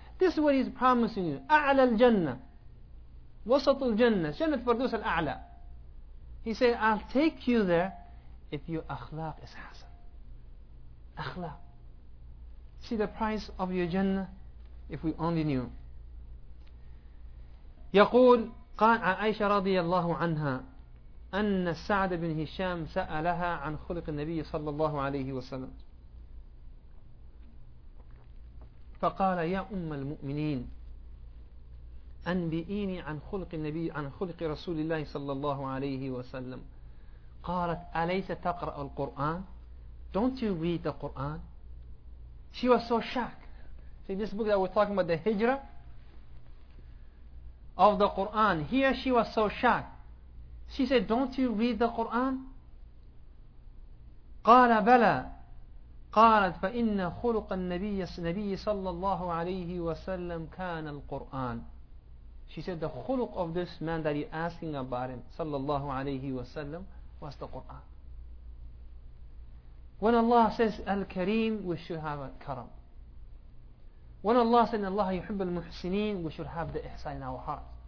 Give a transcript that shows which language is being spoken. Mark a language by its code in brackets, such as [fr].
[en] This is what he's promising you. [ar] A'la al-jannah. Wasat al-jannah. [en] Jannah Firdaws al-a'la. He said, I'll take you there if your akhlaq is hasan. Akhlaq. See the price of your Jannah? If we only knew. [ar] يقول قال عائشة رضي الله عنها أن سعد بن هشام سألها عن خلق النبي صلى الله عليه وسلم فقال يا أم المؤمنين أنبئيني عن خلق النبي عن خلق رسول الله صلى الله عليه وسلم قالت أليس تقرأ القرآن [en] Don't you read the Quran? She was so shocked. See, this book that we're talking about, the Hijrah of the Quran. Here she was so shocked. She said, don't you read the Quran? [ar] قال بلى. قالت فإن خلق النبي صلى الله عليه وسلم كان القرآن. [en] She said, the خلق of this man that you're asking about him, [ar] صلى الله عليه وسلم, [en] was the Quran. When Allah says, Al-Kareem, we should have a karam. When Allah said, Allah [ar] يحب المحسنين, [en] we should have the ihsan in our heart.